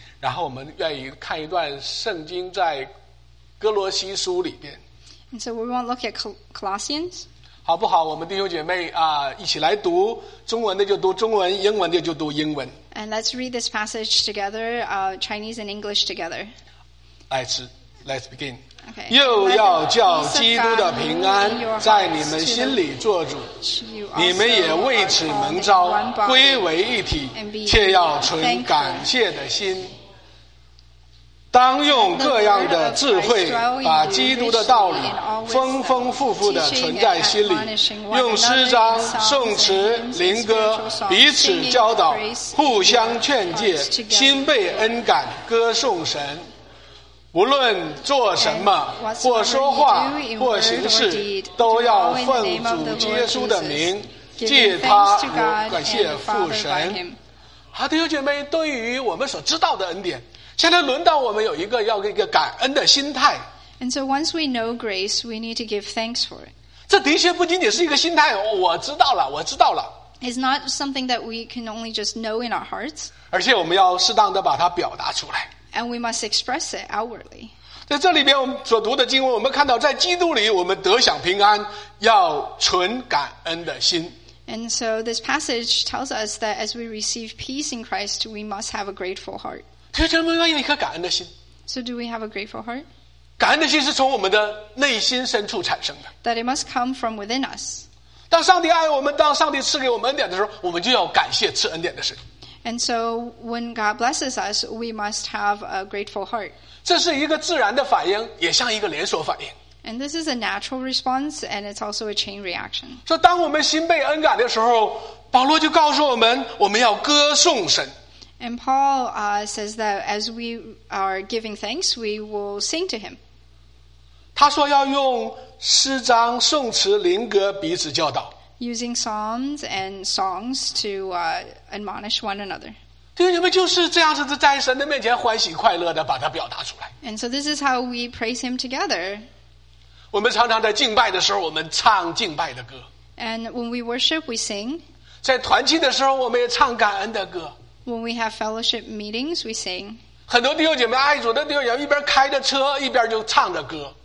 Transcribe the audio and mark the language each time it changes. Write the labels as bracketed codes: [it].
[zh] 然后我们愿意看一段圣经在哥罗西书里边。 [en] And so we want to look at Colossians. [zh] 好不好？我们弟兄姐妹一起来读，中文的就读中文，英文的就读英文。 [en] And let's read this passage together, Chinese and English together. Let's begin. Okay. [zh] 又要叫基督的平安在你们心里作主，你们也为此蒙召归为一体，且要存感谢的心，当用各样的智慧把基督的道理丰丰富富地存在心里，用诗章、颂词、灵歌彼此教导，互相劝诫，心被恩感，歌颂神。无论做什么，或说话，或行事，都要奉主耶稣的名，借他感谢父神。好，弟兄姐妹，对于我们所知道的恩典，现在轮到我们有一个要一个感恩的心态。 [en] And so once we know grace, we need to give thanks for it. [zh] 这的确不仅仅是一个心态，我知道了，我知道了。 [en] It's not something that we can only just know in our hearts. [zh] 而且我们要适当的把它表达出来。 [en] And we must express it outwardly. [zh] 在这里边我们所读的经文，我们看到在基督里我们得享平安，要存感恩的心。 [en] And so this passage tells us that as we receive peace in Christ, we must have a grateful heart. [zh] 弟兄姐妹，有一颗感恩的心。 [en] So do we have a grateful heart? [zh] 感恩的心是从我们的内心深处产生的。 [en] That it must come from within us. [zh] 当上帝爱我们，当上帝赐给我们恩典的时候，我们就要感谢赐恩典的神。 [en] And so when God blesses us, we must have a grateful heart. [zh] 这是一个自然的反应，也像一个连锁反应。 [en] And this is a natural response, and it's also a chain reaction. [zh] 所以当我们心被恩感的时候，保罗就告诉我们，我们要歌颂神。 [en] And Paul says that as we are giving thanks, we will sing to him. [zh] 他说要用诗章、颂词、灵歌彼此教导。 [en] using psalms and songs to admonish one another. [zh] 弟兄姊妹就是这样子在神的面前欢喜快乐的把它表达出来。 [en] And so this is how we praise him together. [zh] 我们常常在敬拜的时候我们唱敬拜的歌。 [en] And when we worship, we sing. [zh] 在团契的时候我们也唱感恩的歌。 [en] When we have fellowship meetings, we sing. [zh] 很多弟兄姐妹爱主的弟兄姐妹一边开着车一边就唱着歌。